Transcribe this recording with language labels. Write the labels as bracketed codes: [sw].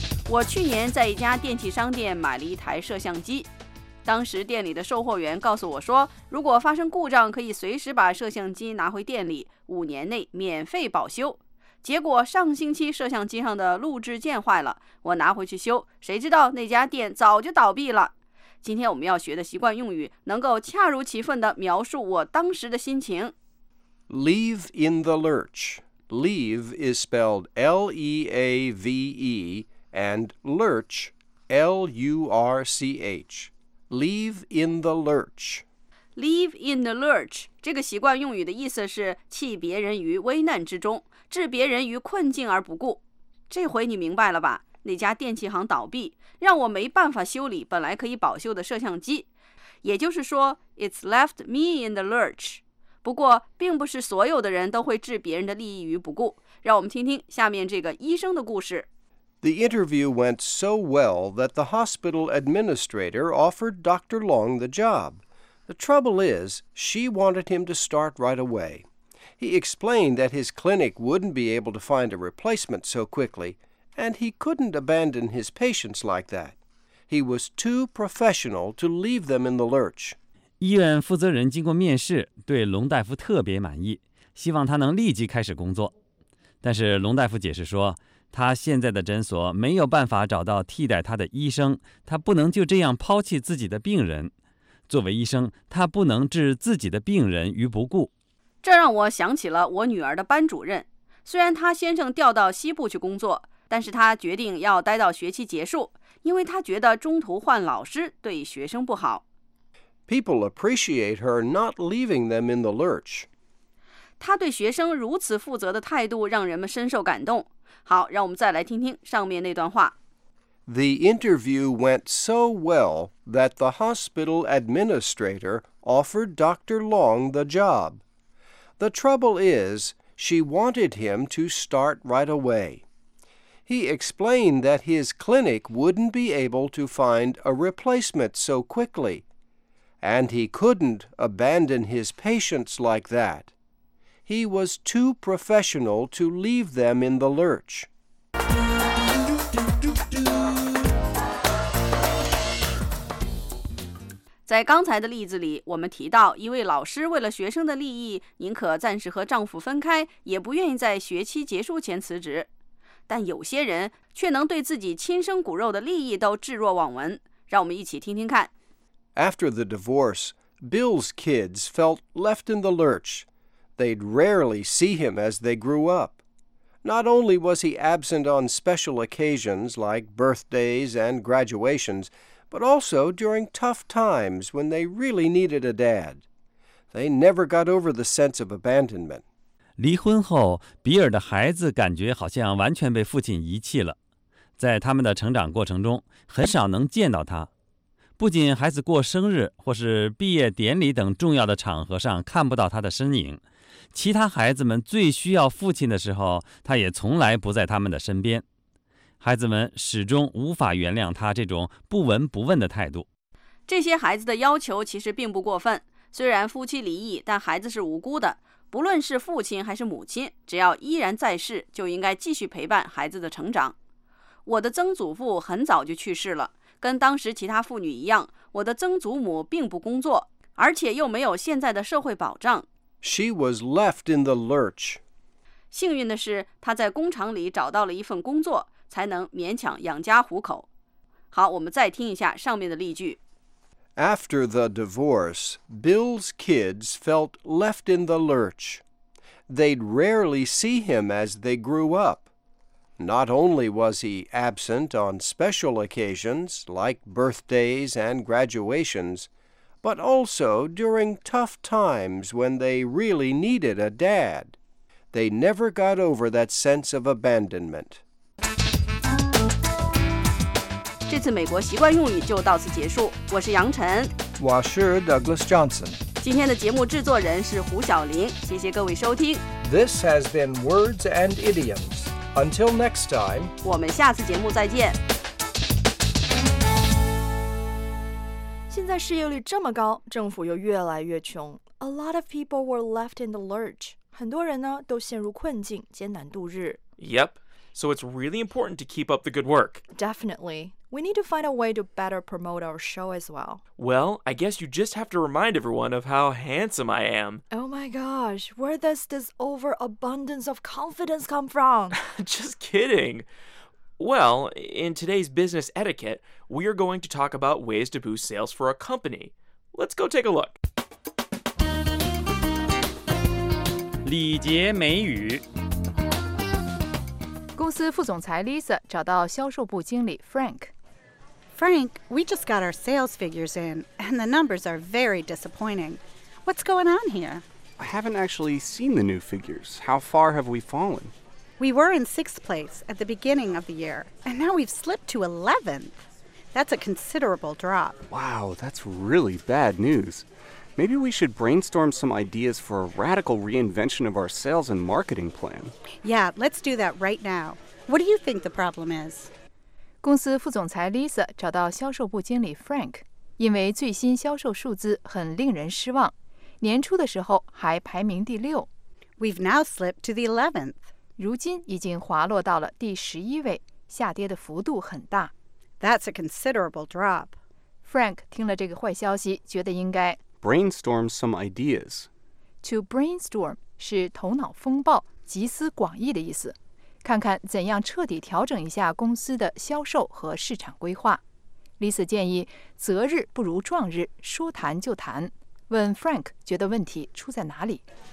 [zh] 我去年在一家电器商店买了一台摄像机，当时店里的售货员告诉我说，如果发生故障，可以随时把摄像机拿回店里，五年内免费保修。结果上星期摄像机上的录制键坏了，我拿回去修，谁知道那家店早就倒闭了。今天我们要学的习惯用语能够恰如其分地描述我当时的心情。 [en] Leave in the lurch. Leave is spelled L-E-A-V-E and lurch, L-U-R-C-H. Leave in the lurch. Leave in the lurch. [zh] 这个习惯用语的意思是弃别人于危难之中，置别人于困境而不顾。这回你明白了吧？那家电器行倒闭，让我没办法修理本来可以保修的摄像机。也就是说 [en] ，it's left me in the lurch. [zh] 不过，并不是所有的人都会置别人的利益于不顾。让我们听听下面这个医生的故事。 [en] The interview went so well that the hospital administrator offered Dr. Long the job. The trouble is, she wanted him to start right away. He explained that his clinic wouldn't be able to find a replacement so quickly, and he couldn't abandon his patients like that. He was too professional to leave them in the lurch. [zh] 医院负责人经过面试，对龙大夫特别满意，希望他能立即开始工作。但是龙大夫解释说，他现在的诊所没有办法找到替代他的医生，他不能就这样抛弃自己的病人。作为医生，他不能置自己的病人于不顾。这让我想起了我女儿的班主任，虽然他先生调到西部去工作，但是他决定要待到学期结束，因为他觉得中途换老师对学生不好。 [en] People appreciate her not leaving them in the lurch. [zh] 她对学生如此负责的态度让人们深受感动。好，让我们再来听听上面那段话。 [en] The interview went so well that the hospital administrator offered Dr. Long the job. The trouble is, she wanted him to start right away. He explained that his clinic wouldn't be able to find a replacement so quickly, and he couldn't abandon his patients like that. He was too professional to leave them in the lurch. [zh] 在刚才的例子里，我们提到一位老师为了学生的利益，宁可暂时和丈夫分开，也不愿意在学期结束前辞职。但有些人却能对自己亲生骨肉的利益都置若罔闻。让我们一起听听看。 [en] After the divorce, Bill's kids felt left in the lurch. They'd rarely see him as they grew up. Not only was he absent on special occasions like birthdays and graduations,but also during tough times when they really needed a dad. They never got over the sense of abandonment. [zh] 离婚后，比尔的孩子感觉好像完全被父亲遗弃了。在他们的成长过程中，很少能见到他。不仅孩子过生日或是毕业典礼等重要的场合上看不到他的身影，其他孩子们最需要父亲的时候，他也从来不在他们的身边。孩子们始终无法原谅他这种不闻不问的态度。这些孩子的要求其实并不过分，虽然夫妻离异，但孩子是无辜的。不论是父亲还是母亲，只要依然在世，就应该继续陪伴孩子的成长。我的曾祖父很早就去世了，跟当时其他妇女一样，我的曾祖母并不工作，而且又没有现在的社会保障。 [en] She was left in the lurch. [zh] 幸运的是，她在工厂里找到了一份工作，才能勉强养家糊口。好，我们再听一下上面的例句。 [en] After the divorce, Bill's kids felt left in the lurch. They'd rarely see him as they grew up. Not only was he absent on special occasions, like birthdays and graduations, but also during tough times when they really needed a dad. They never got over that sense of abandonment. [zh] 这次美国习惯用语就到此结束，我是杨晨，我是 Douglas Johnson，今天的节目制作人是胡晓玲，谢谢各位收听。 [en] This has been Words and Idioms. Until next time， [zh] 我们下次节目再见。现在失业率这么高，政府又越来越穷， [en] A lot of people were left in the lurch， [zh] 很多人呢都陷入困境，艰难度日。 [en] Yep. So it's really important to keep up the good work. Definitely. We need to find a way to better promote our show as well. Well, I guess you just have to remind everyone of how handsome I am. Oh my gosh, where does this overabundance of confidence come from? Just kidding. Well, in today's business etiquette, we are going to talk about ways to boost sales for a company. Let's go take a look. [zh] 礼节美语公司副总裁 Lisa 找到销售部经理 Frank。 [en] Frank, we just got our sales figures in, and the numbers are very disappointing. What's going on here? I haven't actually seen the new figures. How far have we fallen? We were in sixth place at the beginning of the year, and now we've slipped to 11th. That's a considerable drop. Wow, that's really bad news. Maybe we should brainstorm some ideas for a radical reinvention of our sales and marketing plan. Yeah, let's do that right now. What do you think the problem is? [zh] 公司副总裁 Lisa 找到销售部经理 Frank， 因为最新销售数字很令人失望，年初的时候还排名第六。 [en] We've now slipped to the 11th. [zh] 如今已经滑落到了第十一位，下跌的幅度很大。 [en] That's a considerable drop. [zh] Frank 听了这个坏消息，觉得应该 [en] brainstorm some ideas. [zh] To brainstorm 是头脑风暴，集思广益的意思。看看怎样彻底调整一下公司的销售和市场规划。 Lisa 建议择日不如撞日，说谈就谈，问 Frank 觉得问题出在哪里。